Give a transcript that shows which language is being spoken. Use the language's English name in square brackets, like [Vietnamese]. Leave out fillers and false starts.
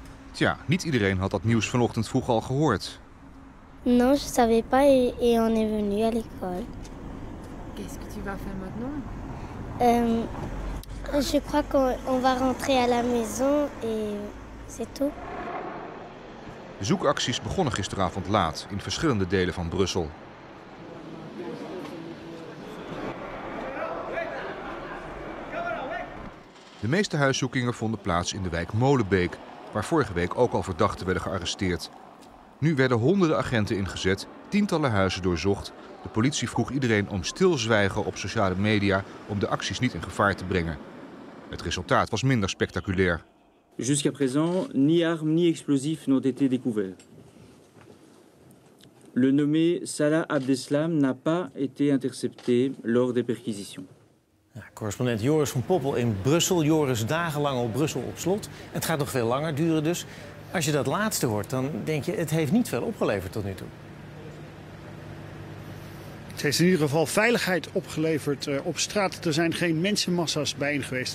[Dutch] Tja, niet iedereen had dat nieuws vanochtend vroeg al gehoord. [French] Non, je savais pas et on est venu à l'école. Qu'est-ce que tu vas faire maintenant? Je crois qu'on va rentrer à la maison et c'est tout. [Dutch] De zoekacties begonnen gisteravond laat in verschillende delen van Brussel. De meeste huiszoekingen vonden plaats in de wijk Molenbeek, waar vorige week ook al verdachten werden gearresteerd. Nu werden honderden agenten ingezet, tientallen huizen doorzocht. De politie vroeg iedereen om stilzwijgen op sociale media om de acties niet in gevaar te brengen. Het resultaat was minder spectaculair. [French] Jusqu'à présent, ni arme ni explosif n'ont été découverts. Le nommé Salah Abdeslam n'a pas été intercepté lors des perquisitions. [Dutch] Correspondent Joris van Poppel in Brussel. Joris, dagenlang op Brussel op slot. Het gaat nog veel langer duren dus. Als je dat laatste hoort, dan denk je, het heeft niet veel opgeleverd tot nu toe. Het heeft in ieder geval veiligheid opgeleverd op straat. Er zijn geen mensenmassa's bijeen geweest.